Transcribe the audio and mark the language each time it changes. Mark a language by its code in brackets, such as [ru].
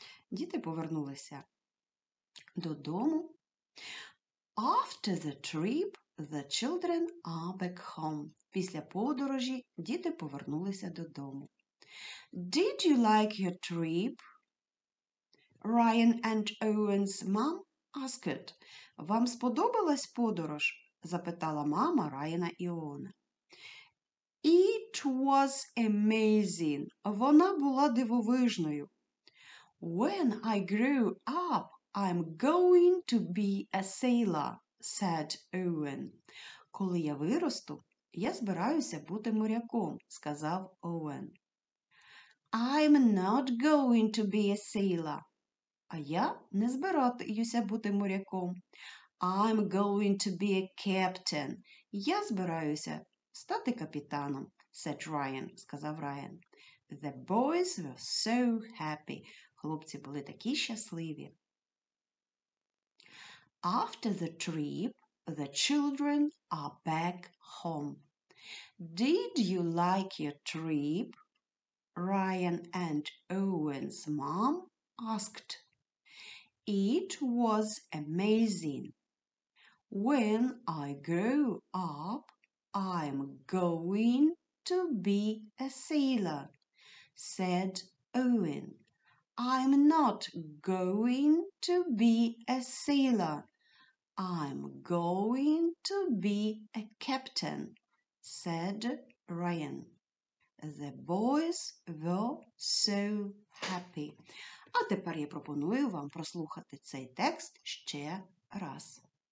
[uk] Діти повернулися додому. [en] After the trip, the children are back home. [uk] Після подорожі діти повернулися додому. [en] Did you like your trip? Ryan and Owen's mom asked. [uk] Вам сподобалась подорож? Запитала мама Райана і Оуена. [en] It was amazing. [uk] Вона була дивовижною. [en] When I grew up, I'm going to be a sailor, said Owen. [uk] Коли я виросту, я збираюся бути моряком, сказав Оуен. [en] I'm not going to be a sailor. [uk] А я не збираюся бути моряком. [en] I'm going to be a captain. [uk] Я збираюся стати капітаном, [en] said Ryan, [uk] сказав [en] Ryan. The boys were so happy. [uk] Хлопці були такі щасливі. [en] After the trip, the children are back home. Did you like your trip? Ryan and Owen's mom asked. It was amazing. When I grow up, I'm going to be a sailor, said Owen. I'm not going to be a sailor. I'm going to be a captain, said Ryan. The boys were so happy. [uk] А тепер я пропоную вам прослухати цей текст ще раз.